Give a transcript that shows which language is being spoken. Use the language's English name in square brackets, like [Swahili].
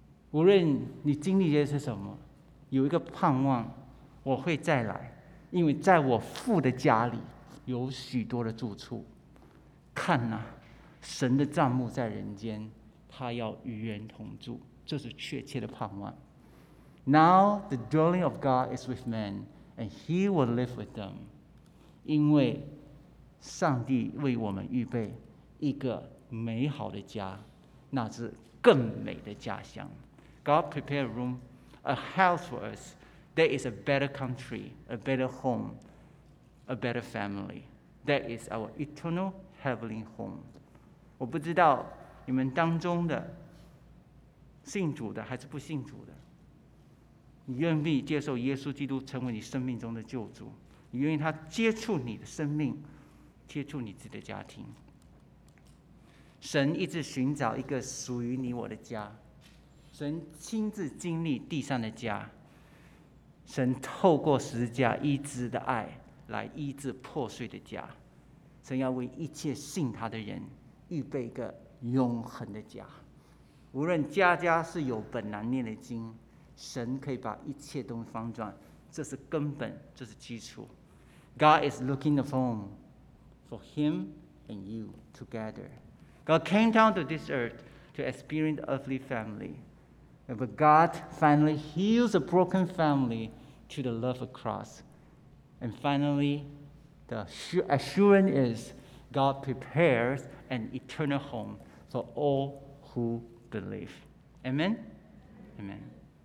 [Chinese] 无论你经历的是什么，有一个盼望，我会再来，因为在我父的家里有许多的住处。看啊，神的帐幕在人间，他要与人同住，这是确切的盼望。 [English] Now the dwelling of God is with men, and He will live with them. [Chinese] 因为上帝为我们预备一个美好的家，那是更美的家乡。 [English] God prepared a room. A house for us, there is a better country, a better home, a better family. That is our eternal heavenly home. [Chinese] 我不知道你们当中的信主的还是不信主的，你愿意接受耶稣基督成为你生命中的救主，你愿意他接触你的生命，接触你自己的家庭。神一直寻找一个属于你我的家，神亲自经历地上的家，神透过十字架医治的爱来医治破碎的家，神要为一切信他的人预备一个永恒的家。无论家家是有本难念的经，神可以把一切东西翻转，这是根本，这是基础。 [English] God is looking the home for him and you together. God came down to this earth to experience the earthly family. And when God finally heals a broken family to the love of cross. And finally, the assurance is God prepares an eternal home for all who believe. Amen? Amen.